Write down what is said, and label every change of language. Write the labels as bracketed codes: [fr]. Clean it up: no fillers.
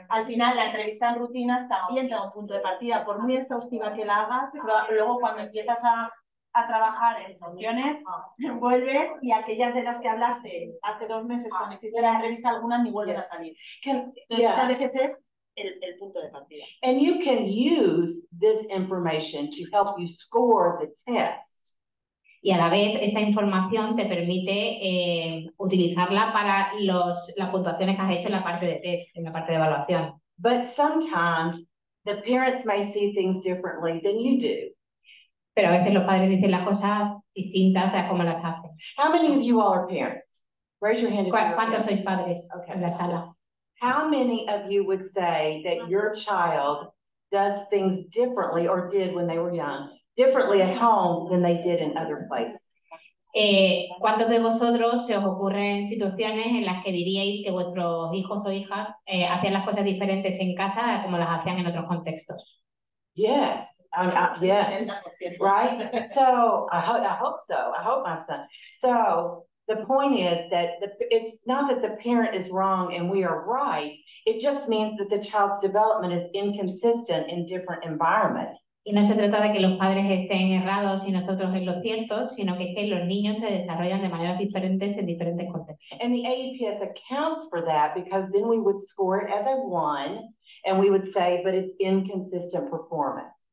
[es] Al final, la entrevista en rutinas también tiene un punto de partida, por muy exhaustiva que la hagas, luego cuando empiezas a trabajar en soluciones, vuelve, y aquellas de las que hablaste hace dos meses cuando hiciste la entrevista, algunas ni vuelven a salir. Muchas veces es el punto de partida. [en] And you can use this information to help you score the test. [es] Y a la vez, esta información te permite utilizarla para las puntuaciones que has hecho en la parte de test, en la parte de evaluación. [en] But sometimes the parents may see things differently than you do. [es] Pero a veces los padres dicen las cosas distintas a cómo las hacen. [en] How many of you all are parents? Raise your hand. [es] ¿Cuántos sois padres en la sala? [en] How many of you would say that your child does things differently or did when they were young, differently at home than they did in other places? [es] ¿Cuántos de vosotros se os ocurren situaciones en las que diríais que vuestros hijos o hijas hacían las cosas diferentes en casa a como las hacían en otros contextos? [en] Yes. Yes, right? So I hope so. I hope my son. So the point is that it's not that the parent is wrong and we are right. It just means that the child's development is inconsistent in different environments. [es] Y no se trata de que los padres estén errados y nosotros en lo cierto, sino que los niños se desarrollan de maneras diferentes en diferentes contextos. [en] And the AEPS accounts for that because then we would score it as a one and we would say, but it's inconsistent performance.